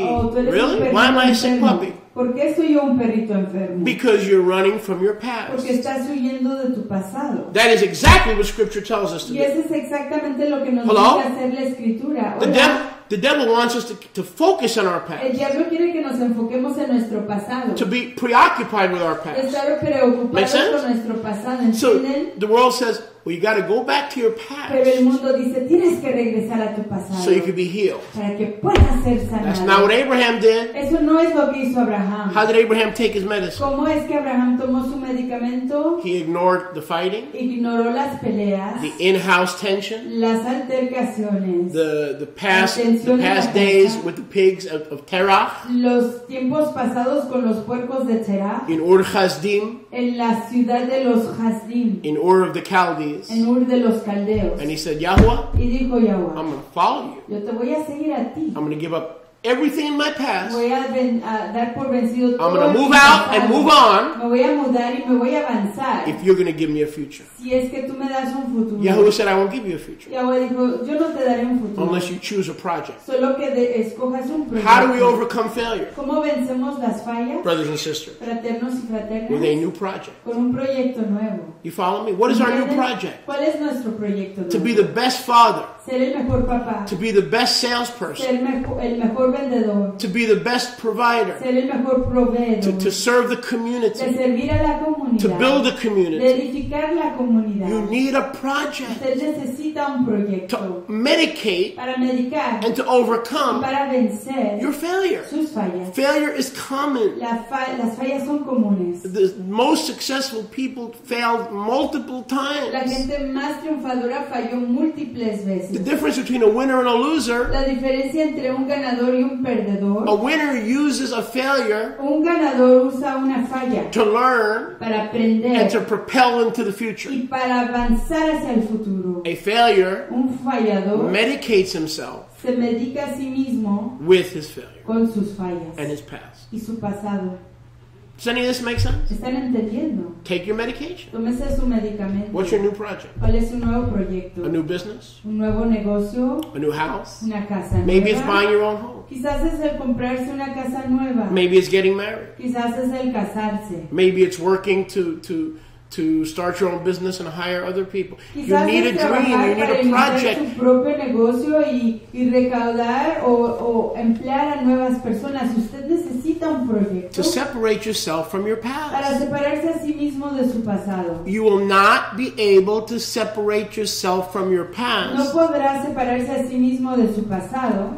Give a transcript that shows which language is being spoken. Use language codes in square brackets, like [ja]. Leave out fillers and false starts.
[en] Oh, really? [es] Un [en] Why am [es] enfermo? [en] I a sick puppy? [es] ¿Por qué soy yo un perrito enfermo? [en] Because you're running from your past. [es] Porque estás huyendo de tu pasado. [en] That is exactly what Scripture tells us to do. [es] Y eso es exactamente lo que nos [en] Hello? [es] Dice hacer la Escritura. [en] The the devil wants us to focus on our past. [es] El diablo quiere que nos enfoquemos en nuestro pasado. [en] To be preoccupied with our past. [es] Estar preocupados con nuestro pasado. [en] So the world says, well, you got to go back to your past. [es] Pero el mundo dice, tienes que regresar a tu pasado. [en] So you can be healed. [es] Para que puedas ser sanado. [en] That's not what Abraham did. [es] Eso no es lo que hizo Abraham. [en] How did Abraham take his medicine? [es] ¿Cómo es que Abraham tomó su medicamento? [en] He ignored the fighting. [es] Ignoró las peleas. [en] The in-house tension. [es] Las altercaciones. [en] The past, the past days with the pigs of Terach. [es] Los tiempos pasados con los puercos de Terach. [en] In Ur Chasdim. [es] En la ciudad de los Chasdim. [en] In Ur of the Chaldees. [es] En Ur de los Caldeos. [en] And he said, Yahweh, [es] y dijo, Yahweh, [en] I'm going to follow you. [es] Yo te voy a seguir a ti. [en] I'm going to give up everything in my past. [es] Voy a dar por vencido todo. [en] I'm going to move out [es] pasado. [en] And move on. [es] Me voy a mudar y me voy a avanzar. [en] If you're going to give me a future. [es] Si es que tú me das un futuro. [en] Yahweh said, I won't give you a future. [es] Yahweh dijo, yo no te daré un futuro. [en] Unless you choose a project. [es] Solo que escojas un proyecto. [en] How do we overcome failure? [es] ¿Cómo vencemos las fallas? [en] Brothers and sisters. [es] Fraternos y fraternas. [en] With a new project. [es] Con un proyecto nuevo. [en] You follow me? What is our new project? [es] ¿Cuál es nuestro proyecto nuevo? [en] To be the best father. [es] Ser el mejor papá. [en] To be the best salesperson. [es] Ser el mejor vendedor. [en] To be the best provider. [es] Ser el mejor proveedor. [en] To serve the community. [es] De servir a la comunidad. [en] To build a community. [es] De edificar la comunidad. [en] You need a project. [es] Usted necesita un proyecto. [en] To medicate. [es] Para medicar. [en] And to overcome. [es] Para vencer. [en] Your failure. [es] Sus fallas. [en] Failure is common. [es] Las fallas son comunes. [en] The most successful people failed multiple times. [es] La gente más triunfadora falló múltiples veces. [en] The difference between a winner and a loser. [es] La diferencia entre un ganador y un perdedor. [en] A winner uses a failure. [es] Un ganador usa una falla. [en] To learn. [es] Para aprender. [en] And to propel into the future. [es] Y para avanzar hacia el futuro. [en] A failure. [es] Un fallador. [en] Medicates himself. [es] Se medica a sí mismo. [en] With his failure. [es] Con sus fallas. [en] And his past. [es] Y su pasado. [en] Does any of this make sense? [es] Están entendiendo. [en] Take your medication. [es] Tómese su medicamento. [en] What's your new project? [es] ¿Cuál es su nuevo proyecto? [en] A new business? [es] Un nuevo negocio. [en] A new house? [es] Una casa nueva. [en] Maybe it's buying your own home. [es] Quizás es el comprarse una casa nueva. [en] Maybe it's getting married. [es] Quizás es el casarse. [en] Maybe it's working to start your own business and hire other people. [es] Quizás [en] you need a dream, you need a project. [es] Su propio negocio y recaudar o emplear a nuevas personas. Usted necesita un proyecto. [en] To separate yourself from your past. [es] Para separarse a sí mismo de su pasado. [en] You will not be able to separate yourself from your past. [es] No podrá separarse a sí mismo de su pasado.